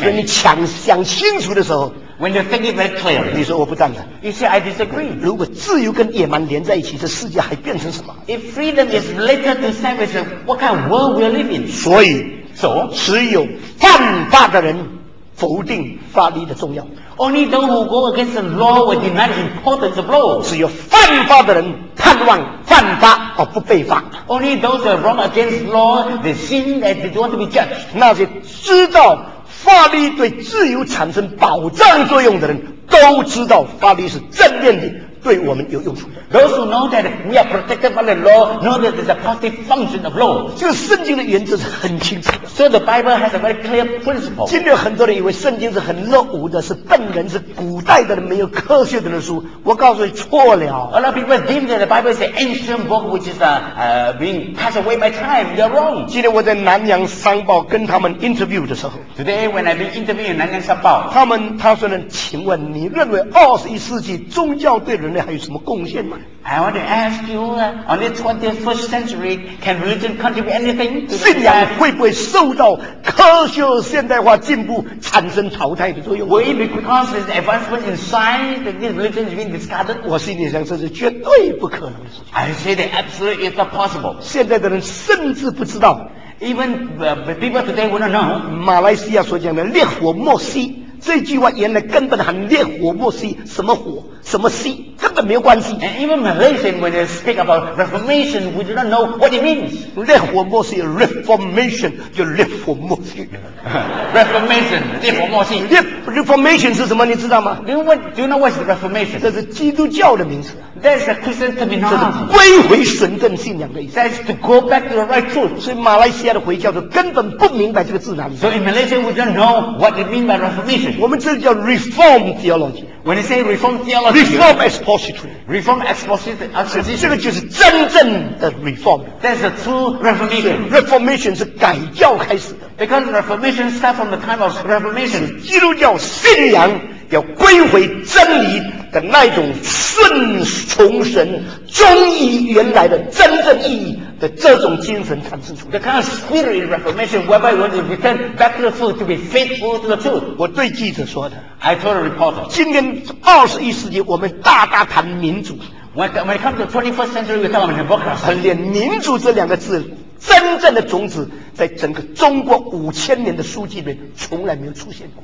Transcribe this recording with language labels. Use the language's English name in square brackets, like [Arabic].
[Chinese] 所以你想清楚的时候。 [English] When you think it very clear, [Chinese] 你说我不赞成。 [English] You say I disagree. [Chinese] 如果自由跟野蛮连在一起，这世界还变成什么 [English] ？If freedom is related to savage, what kind of world we live in? [Chinese] 所以，只有犯法的人否定法律的重要。 [English] Only those who go against the law will deny the importance of law. [Chinese] 只有犯法的人盼望犯法而不被罚。 [English] Only those who wrong against law, they sin and they don't want to be judged. [Chinese] 那些知道。法律对自由产生保障作用的人都知道法律是正面的对我们有用处的 [English] Those who know that we are protected by the law know that there's a positive function of law [Chinese] 这个圣经的原则是很清楚的 [English] So the Bible has a very clear principle [Chinese] 今天很多人以为圣经是很落伍的是笨人是古代的人没有科学的人书我告诉你错了 [English] A lot of people deem that the Bible is an ancient book which is being passed away by time You're wrong [Chinese] 今天我在南洋商报跟他们 interview 的时候 [English] Today when I've been interviewing 南洋商报 [Chinese] 他说呢请问你认为二十一世纪宗教对人类还有什么贡献吗 [English] I want to ask you on the 21st century can religion contribute anything [Chinese] 信仰会不会受到科学现代化进步产生淘汰的作用 [English] Will it be because there's advancement in science that this religion is being discarded [Chinese] 我心里想这是绝对不可能的事情 [English] I say that absolutely it's not possible [Chinese] 现在的人甚至不知道 [English] Even people today would not know. [Chinese] 马来西亚所讲的烈火莫熄，这句话原来根本很烈火莫熄，什么火什么熄，根本没有关系。 [English] And even Malaysian when they speak about Reformation, we do not know what it means. [Chinese] 烈火莫熄 ，Reformation 就烈火莫熄。 Reformation 烈火莫熄。 Reformation 是什么？你知道吗 [English] ？Do you know what is Reformation? [Chinese] 这是基督教的名词。 [English] That's a Christian terminology. [Chinese] 这是归回神圣信仰的意思。 [English] That's to go back to the right truth. [Chinese] 所以马来西亚的回教徒根本不明白这个字哪里。 [English] So in Malaysia, we don't know what it means by Reformation. [Chinese] 我们这叫 Reform theology. [English] When you say Reform theology, Reform expository, Reform expository, [Chinese] 这个就是真正的 Reform. [English] That's a true Reformation. [Chinese] Reformation 是改教开始的。 [English] Because Reformation starts from the time of Reformation. [Chinese] 基督教信仰要归回真理的那种顺从神、忠于原来的真正意义的这种精神产生出来。 [English] The kind of spirit in Reformation whereby when you return back to the truth to be faithful to the truth. [Chinese] 我对记者说的。 [English] I told a reporter. [Chinese] 今天21世纪，我们大大谈民主。 [English] When it comes to 21st century, we talk about democracy. [Chinese] 连民主这两个字。真正的种子在整个中国5000年的书籍里面从来没有出现过。